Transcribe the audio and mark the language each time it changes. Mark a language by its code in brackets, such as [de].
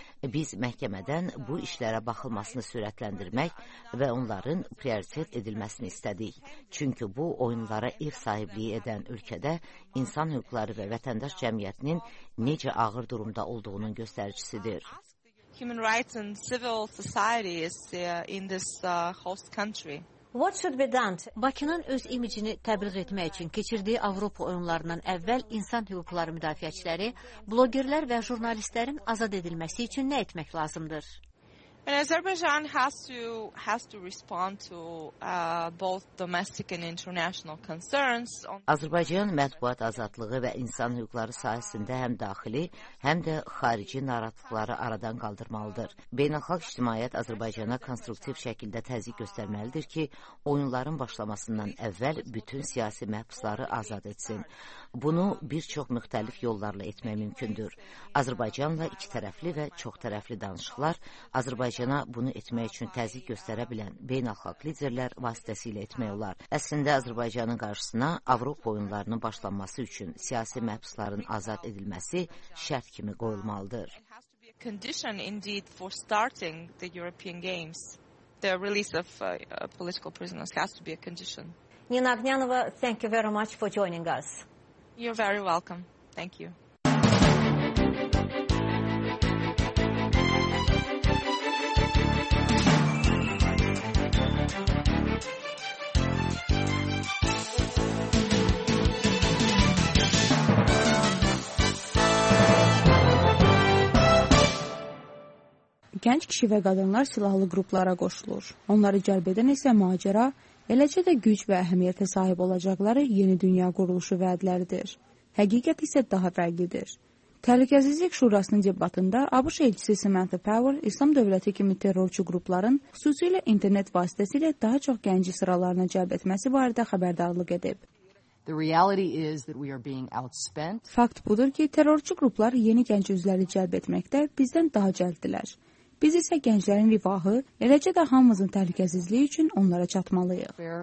[az] Biz məhkəmədən bu işlərə baxılmasını sürətləndirmək və onların prioritet edilməsini istədik. Çünki bu, oyunlara ev sahibliyi edən ölkədə insan hüquqları və vətəndaş cəmiyyətinin necə ağır durumda olduğunun göstəricisidir. [en] Human rights and civil societies in this host country. What should be done? [az] Bakının öz imicini təbliğ etmək üçün keçirdiyi Avropa oyunlarından əvvəl insan hüquqları müdafiəçiləri, bloqerlər və jurnalistlərin azad edilməsi üçün nə etmək lazımdır? [en] Azerbaijan has to respond to both domestic and international concerns. [az] Azərbaycan mətbuat azadlığı və insan hüquqları sahəsində həm daxili, həm də xarici narahatlıqları aradan qaldırmalıdır. Beynəlxalq ictimaiyyət Azərbaycana konstruktiv şəkildə təzyiq göstərməlidir ki, oyunların başlamasından əvvəl bütün siyasi məhbusları azad etsin. Bunu bir çox müxtəlif yollarla etmək mümkündür. Azərbaycanla ikitərəfli və çoxtərəfli danışıqlar Azərbaycana bunu etmək üçün təzyiq göstərə bilən beynəlxalq liderlər vasitəsilə etmək olar. Əslində, Azərbaycanın qarşısına Avropa oyunlarının başlanması üçün siyasi məhbusların azad edilməsi şərt kimi qoyulmalıdır. [en] Condition indeed for starting the European Games, the release of political prisoners has to be a condition. Nina Agnyanova, thank you very much for joining us. You're very welcome. Thank you. [az] Gənc kişi və qadınlar silahlı qruplara qoşulur. Onları cəlb edən isə macera, eləcə də güc və əhəmiyyətə sahib olacaqları yeni dünya quruluşu vədləridir. Həqiqət isə daha fərqlidir. Təhlükəsizlik Şurasının debatında ABŞ elçisi Samantha Power İslam dövləti kimi terrorçu qrupların xüsusilə internet vasitəsilə daha çox gənci sıralarına cəlb etməsi barədə xəbərdarlıq edib. [en] The reality is that we are being outspent. [az] Fakt budur ki, terrorçu qruplar yeni gənc üzvləri cəlb etməkdə bizdən daha cəlddilər. Biz isə gənclərin rifahı, eləcə də hamımızın təhlükəsizliyi üçün onlara çatmalıyıq.